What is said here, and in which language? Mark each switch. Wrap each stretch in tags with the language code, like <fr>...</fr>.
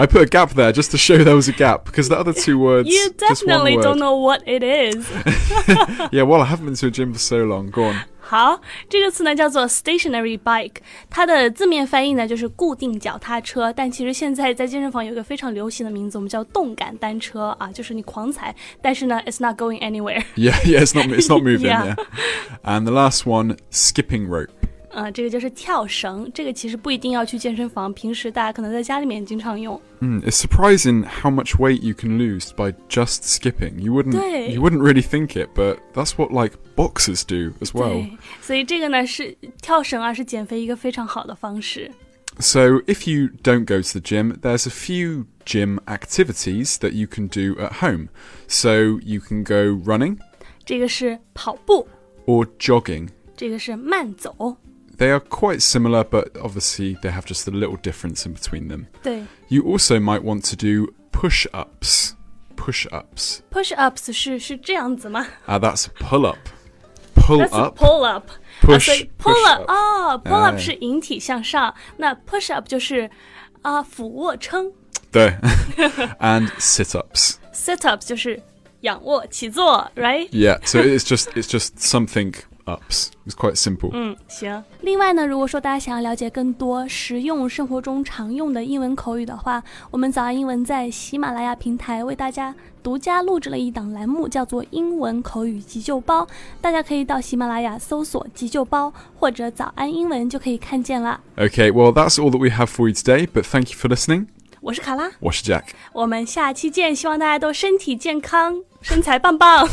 <en>I put a gap there just to show there was a gap, because the other two words, you definitely don't know what it is. Yeah, well, I haven't been to a gym for so long. Go on.</en> <zh>好，这个词呢叫做 stationary bike, 它的字面翻译呢就是固定脚踏车，但其实现在在健身房有一个非常流行的名字，我们叫动感单车啊，就是你狂踩，但是呢</zh> <en>it's not going anywhere. Yeah, yeah, it's not moving. Yeah. And the last one, skipping rope.</en> <zh>这个就是跳绳，这个其实不一定要去健身房，平时大家可能在家里面经常用。</zh> <en>It's surprising how much weight you can lose by just skipping. You wouldn't really think it, but that's what like boxers do as well.</en> <zh>对，所以这个呢是跳绳啊，是减肥一个非常好的方式。</zh> <en>So if you don't go to the gym, there's a few gym activities that you can do at home. So you can go running.</en> <zh>这个是跑步。</zh> <en>Or jogging.</en> <zh>这个是慢走。</zh> <en>They are quite similar, but obviously they have just a little difference in between them.</en> <zh>对。</zh> <en>You also might want to do push-ups. Push-ups.</en> <zh>Push-ups 是这样子吗？</zh> <en>That's pull-up. Pull-up. Pull-up. Push, pull-up.</en> <zh>Pull-up 是引体向上。那 push-up 就是俯卧撑。</zh> <en>对。And sit-ups.</en> <zh>Sit-ups 就是仰卧起坐 right?</zh> <en>Yeah, so it's just something... Ups. It's quite simple.</en> <zh>行。另外呢，如果说大家想要了解更多实用生活中常用的英文口语的话，我们早安英文在喜马拉雅平台为大家独家录制了一档栏目，叫做英文口语急救包。大家可以到喜马拉雅搜索急救包或者早安英文就可以看见了。</zh> <en>Okay, well, that's all that we have for you today, but thank you for listening.</en> <zh>我是卡拉。我是 Jack. 我们下期见，希望大家都身体健康，身材棒棒。</zh>